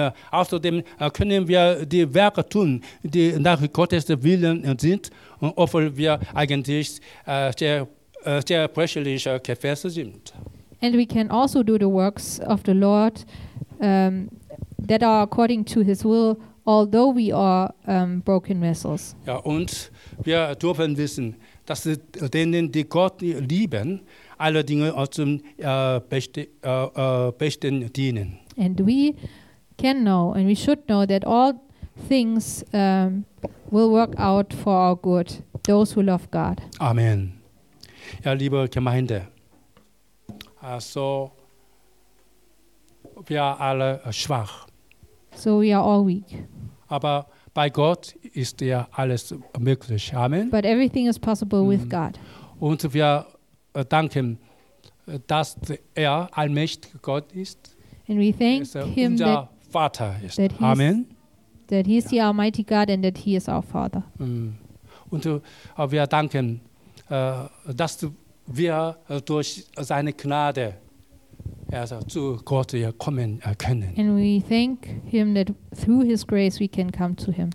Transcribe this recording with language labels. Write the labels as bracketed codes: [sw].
[de] Außerdem können wir die Werke tun, die nach Gottes Willen sind, obwohl wir eigentlich sehr brechliche Gefäße sind. [en] And we can also do the works of the Lord that are according to his will, although we are broken vessels. [de] Ja, und wir dürfen wissen, dass denen, die Gott lieben, alle Dinge zum Besten dienen. [en] And we can know, and we should know, that all things will work out for our good, those who love God. [de] Amen. Ja, liebe Gemeinde, also wir alle schwach. [en] So we are all weak. [de] Aber bei Gott ist ja alles möglich. Amen. [en] But everything is possible with God. [de] Und wir danken, dass er allmächtiger Gott ist. [en] And we thank him [de] unser [en] that [de] Vater ist. [en] That he's, [de] Amen. [en] That he is the Almighty God and that he is our Father. [de] Und wir danken, dass wir durch seine Gnade zu Gott kommen können. [en] And we thank him that through his grace we can come to him.